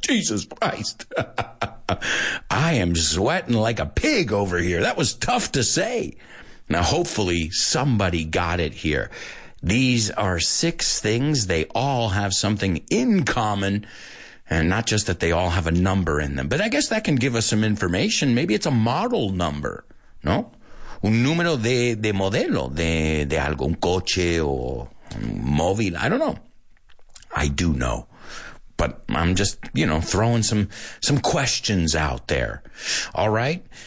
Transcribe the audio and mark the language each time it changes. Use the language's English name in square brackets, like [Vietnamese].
[English] Jesus Christ. I am sweating like a pig over here. That was tough to say. Now, hopefully, somebody got it here. These are six things. They all have something in common. And not just that they all have a number in them. But I guess that can give us some information. Maybe it's a model number. No? [Spanish] Un número de modelo de algún coche o móvil. [English] I don't know. I do know. But I'm just, you know, throwing some questions out there. All right.